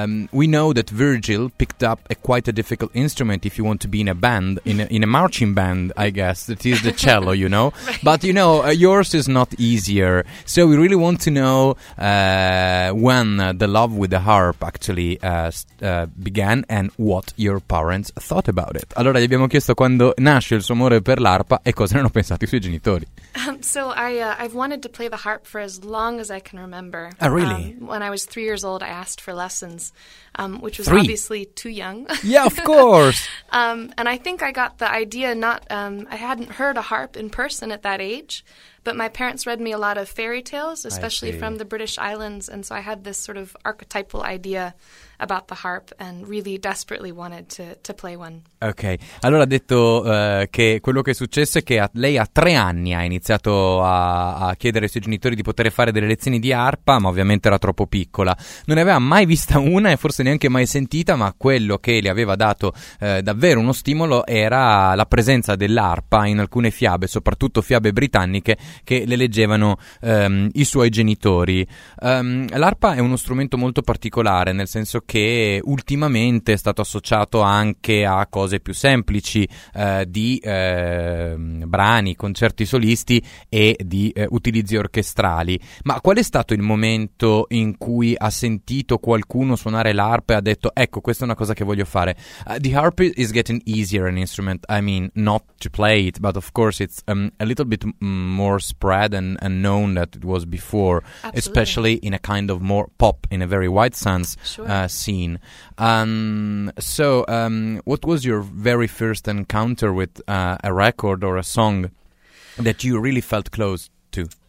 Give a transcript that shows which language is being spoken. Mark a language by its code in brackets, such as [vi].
[en] We know that Virgil picked up quite a difficult instrument if you want to be in a band, in a marching band, I guess. That is the cello, you know. Right. But, you know, yours is not easier. So we really want to know when the love with the harp actually began and what your parents thought about it. [it] Allora, gli abbiamo chiesto quando nasce il suo amore per l'arpa e cosa ne hanno pensato i suoi genitori. [en] So I've wanted to play the harp for as long as I can remember. Oh, really? When I was 3 years old, I asked for lessons, which was three. Obviously too young. Yeah, of course. And I think I got the idea I hadn't heard a harp in person at that age, but my parents read me a lot of fairy tales, especially from the British Islands, and so I had this sort of archetypal idea about the harp and really desperately wanted to play one. Okay. [it] Allora ha detto che quello che è successo è che lei a 3 anni ha iniziato a chiedere ai suoi genitori di poter fare delle lezioni di arpa, ma ovviamente era troppo piccola. Non ne aveva mai vista una e forse neanche mai sentita, ma quello che le aveva dato davvero uno stimolo era la presenza dell'arpa in alcune fiabe, soprattutto fiabe britanniche, che le leggevano i suoi genitori. L'arpa è uno strumento molto particolare, nel senso che ultimamente è stato associato anche a cose più semplici di brani, concerti solisti e di utilizzi orchestrali. Ma qual è stato il momento in cui ha sentito qualcuno suonare l'arpa e ha detto: ecco, questa è una cosa che voglio fare? [en] The harp is getting easier an instrument, I mean, not to play it, but of course it's a little bit more spread and known than it was before. Absolutely. Especially in a kind of more pop, in a very wide sense. Sure. Scene. So what was your very first encounter with a record or a song that you really felt close to?